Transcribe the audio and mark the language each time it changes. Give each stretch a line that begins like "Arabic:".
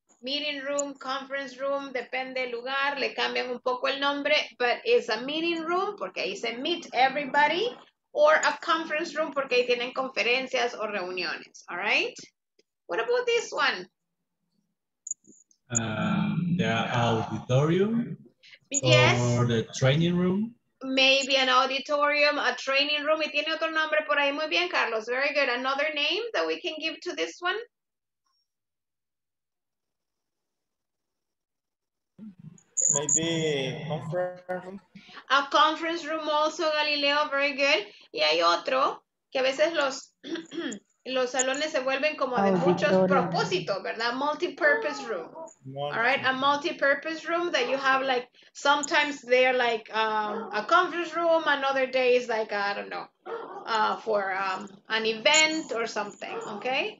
Spanish: meeting room, conference room, depende del lugar, le cambian un poco el nombre,
English: but it's a meeting room,
Spanish: porque ahí se meet everybody,
English: or a conference room,
Spanish: porque ahí tienen conferencias o reuniones, all right?
English: What about this one? The auditorium? Yes. Or the training room? Maybe an auditorium, a training room,
Spanish: y tiene otro nombre por ahí, muy bien,
English: Carlos, very good. Another name that we can give to this one? Maybe conference room. A conference room also, Galileo, very good.
Spanish: Y hay otro, que a veces los, los salones se vuelven como de muchos propósitos, ¿verdad?
English: Multi-purpose room. All right, a multi-purpose room that you have, like, sometimes they're like a conference room, another day is like, I don't know, for an event or something, okay?